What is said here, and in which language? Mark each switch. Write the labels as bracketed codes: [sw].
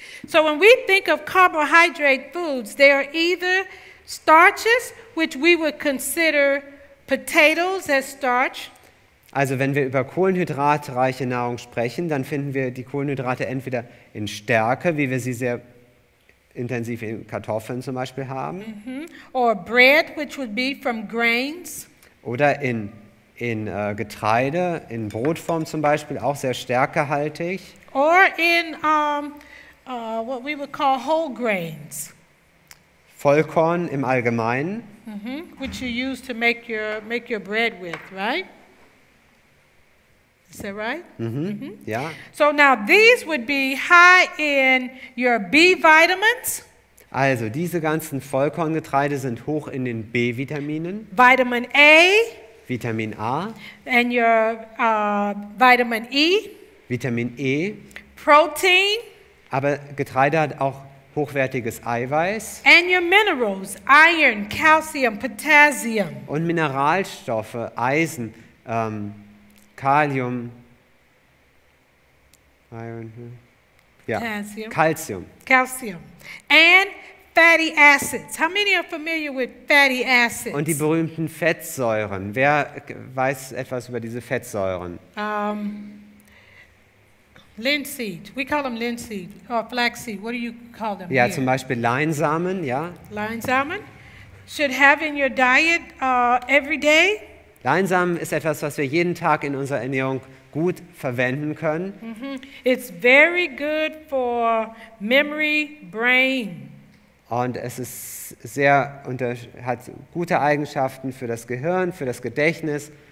[en] So when we think of carbohydrate foods, they are either starches, which we would consider potatoes as starch. [de] Also wenn wir über kohlenhydratreiche Nahrung sprechen, dann finden wir die Kohlenhydrate entweder in Stärke, wie wir sie sehr intensiv in Kartoffeln zum Beispiel haben. [en] Mm-hmm. Or bread, which would be from grains. [de] Oder in Getreide, in Brotform zum Beispiel, auch sehr stärkehaltig. [en] Or in what we would call whole grains. [de] Vollkorn im Allgemeinen. Mm-hmm. [en] Which you use to make your bread with, right? Is that right? Mm-hmm. Mm-hmm. Yeah. So now these would be high in your B vitamins. [de] Also diese ganzen Vollkorngetreide sind hoch in den B-Vitaminen. [en] Vitamin A. [de] Vitamin A. [en] And your vitamin E. [de] Vitamin E. [en] Protein. [de] Aber Getreide hat auch hochwertiges Eiweiß. [en] And your minerals, iron, calcium, potassium. [de] Und Mineralstoffe, Eisen, Kalium, iron, ja, Calcium. [en] And fatty acids. How many are familiar with fatty acids? [de] Und die berühmten Fettsäuren. Wer weiß etwas über diese Fettsäuren? [en] Linseed. We call them linseed or flaxseed. What do you call them? [de] Ja, here? Zum Beispiel Leinsamen, ja. [en] Leinsamen should have in your diet every day. [de] Leinsamen ist etwas, was wir jeden Tag in unserer Ernährung gut verwenden können. [en] Mm-hmm. It's very good for memory, brain. [de] Und es ist sehr hat gute Eigenschaften für das Gehirn, für das Gedächtnis.